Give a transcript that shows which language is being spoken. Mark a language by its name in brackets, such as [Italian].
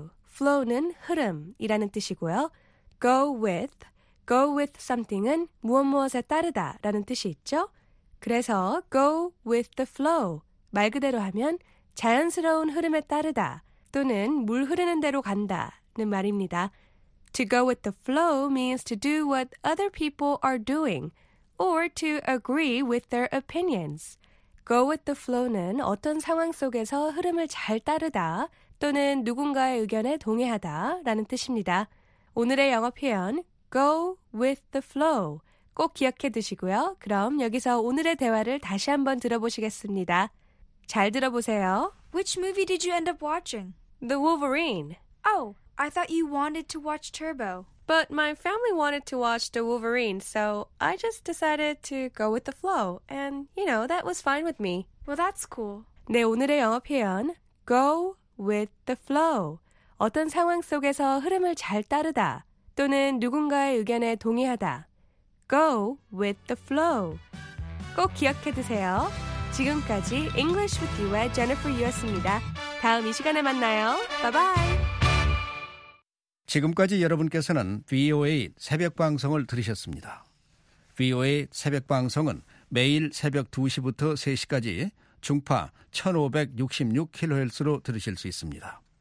[Korean] Flow는 흐름이라는 뜻이고요. [English] go with something [Korean] 은 무엇무엇에 따르다 라는 뜻이 있죠. 그래서 [English] go with the flow, [Korean] 말 그대로 하면 자연스러운 흐름에 따르다 또는 물 흐르는 대로 간다는 말입니다. [English] To go with the flow means to do what other people are doing or to agree with their opinions. Go with the flow [Korean] 는 어떤 상황 속에서 흐름을 잘 따르다 또는 누군가의 의견에 동의하다 라는 뜻입니다. 오늘의 영어 표현 [English] go with the flow [Korean] 꼭 기억해 두시고요. 그럼 여기서 오늘의 대화를 다시 한번 들어보시겠습니다. 잘 들어보세요. [English] Which movie did you end up watching? The Wolverine. Oh, I thought you wanted to watch Turbo. But my family wanted to watch The Wolverine, so I just decided to go with the flow. And, you know, that was fine with me. Well, that's cool. [Korean] 네, 오늘의 영어 표현, [English] go with the flow. [Korean] 어떤 상황 속에서 흐름을 잘 따르다, 또는 누군가의 의견에 동의하다. [English] Go with the flow. [Korean] 꼭 기억해 두세요. 지금까지 English with You의 Jennifer Yu였습니다. 다음 이 시간에 만나요. Bye-bye. 지금까지 여러분께서는 VOA 새벽 방송을 들으셨습니다. VOA 새벽 방송은 매일 새벽 2시부터 3시까지 중파 1566kHz로 들으실 수 있습니다.